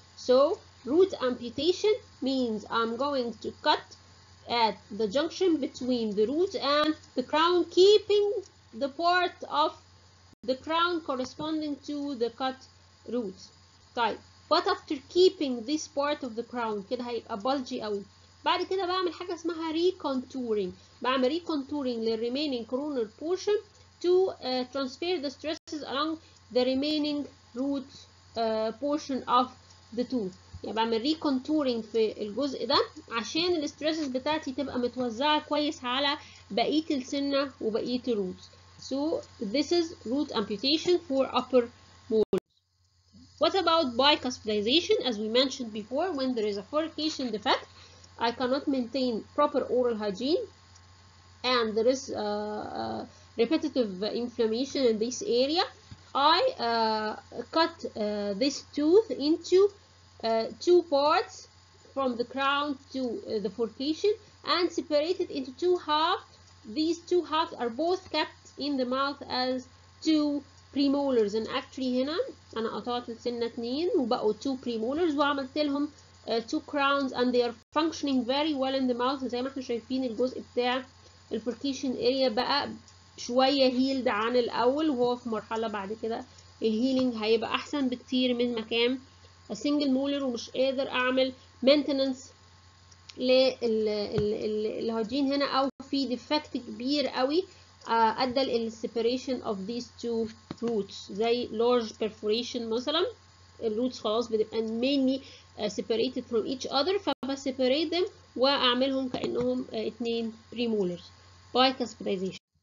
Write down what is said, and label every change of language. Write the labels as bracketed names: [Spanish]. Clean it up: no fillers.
[English] So root amputation means I'm going to cut at the junction between the root and the crown, keeping the part of the crown corresponding to the cut root. طيب. But after keeping this part of the crown, [Arabic] كده هيبقى [English] bulgy أوي. [Arabic] بعد كده بعمل حاجة اسمها [English] Recontouring, بعمل recontouring للريمينينج coronal portion to transfer the stresses along the remaining root portion of the tooth. [Arabic] يعني بعمل ريكونتورينج في الجزء ده عشان الستريسز بتاعتي تبقى متوزعة كويس على بقية السنة وبقية الروتس. [English] So this is root amputation for upper molars. What about bicuspidization? As we mentioned before, when there is a furcation defect, I cannot maintain proper oral hygiene and there is repetitive inflammation in this area, I cut this tooth into two parts from the crown to the furcation and separate it into two halves. These two halves are both kept in the mouth as two premolars. And actually [Arabic] هنا أنا قطعت السنة اتنين وبقوا [English] two premolars [Arabic] وعملت لهم [English] two crowns and they are functioning very well in the mouth. [Arabic] زي ما احنا شايفين الجزء بتاع الفركيشن area بقى شوية healed عن الأول وهو في مرحلة بعد كده الهيلينج هيبقى أحسن بكتير من مكان [English] a single molar [Arabic] ومش قادر أعمل maintenance للهيجين هنا أو في defect كبير قوي أدى لل [English] separation of these two roots [Arabic] زي large perforation مثلا الroots خلاص بتبقى [English] mainly separated from each other [Arabic] فبseparate them وأعملهم كأنهم اتنين premolars bicuspidization.